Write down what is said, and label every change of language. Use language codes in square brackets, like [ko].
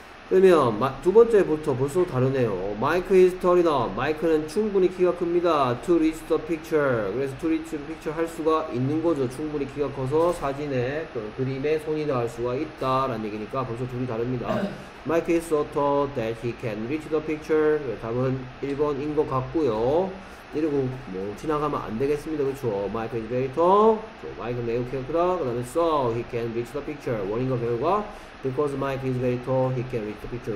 [ko] 그러면 두 번째부터 벌써 다르네요. [en] Mike is tall enough. [ko] 마이크는 충분히 키가 큽니다. [en] To reach the picture. [ko] 그래서 [en] to reach the picture [ko] 할 수가 있는 거죠. 충분히 키가 커서 사진에 또는 그림에 손이 닿을 수가 있다라는 얘기니까 벌써 둘이 다릅니다. [en] Mike is so tall that he can reach the picture. [ko] 답은 1번인 것 같고요. 이러고 뭐 지나가면 안 되겠습니다. 그렇죠. [en] Mike is very tall. [ko] 마이크는 매우 키가 크다. 그 다음에 [en] so he can reach the picture. [ko] 원인과 결과. [en] Because Mike is very tall, he can read the picture.